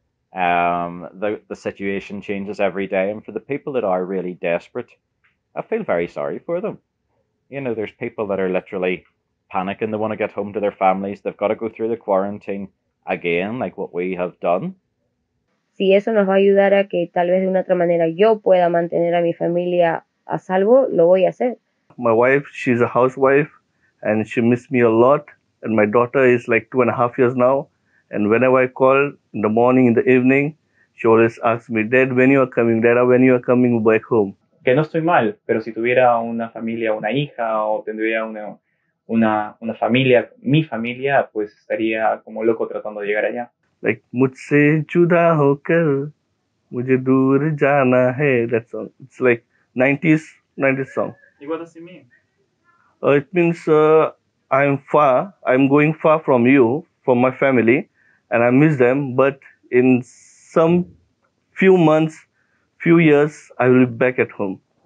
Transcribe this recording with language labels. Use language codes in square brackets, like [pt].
[en] The situation changes every day, and for the people that are really desperate, I feel very sorry for them. You know, there's people that are literally panicking. They want to get home to their families. They've got to go through the quarantine again, like what we have done. [es] Si eso nos va a ayudar a que tal vez de una otra manera yo pueda mantener a mi familia a salvo, lo voy a hacer. [en] My wife, she's a housewife, and she missed me a lot. And my daughter is like 2.5 years now. And whenever I call in the morning, in the evening, she always asks me, Dad, when you are coming? Dad, when you are coming back home? [es] Que no estoy mal, pero si tuviera una familia, una hija, o tendría una familia, mi familia, pues estaría como loco tratando de llegar allá. [hi] Like, mujhse juda hokar, mujhe dur jana hai, [en] that song. It's like 90s song. What does it mean? It means I'm far, I'm going far from you, from my family, and I miss them, but in some few months, few years, I will be back at home.